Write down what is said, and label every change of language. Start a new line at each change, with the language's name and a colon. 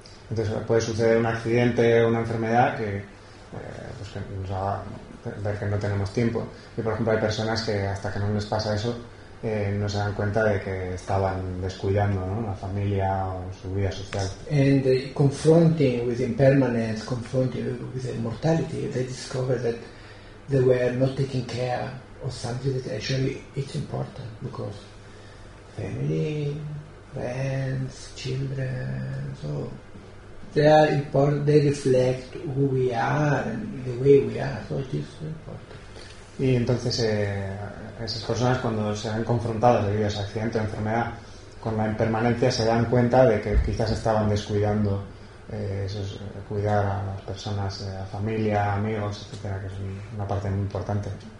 Spanish: Entonces puede suceder un accidente, una enfermedad que pues que nos haga ver que no tenemos tiempo. Y por ejemplo hay personas que hasta que no les pasa eso no se dan cuenta de que estaban descuidando, ¿no? La familia o su vida social.
English: And confronting with impermanence, confronting with mortality, they discover that they were not taking care of something that actually it's important because family, friends, children, so they are important. They reflect who we are and the way we are. So it is important.
Spanish: Y entonces esas personas cuando se han confrontado debido a ese accidente o enfermedad con la impermanencia se dan cuenta de que quizás estaban descuidando cuidar a las personas, a familia, amigos, etcétera, que es una parte muy importante.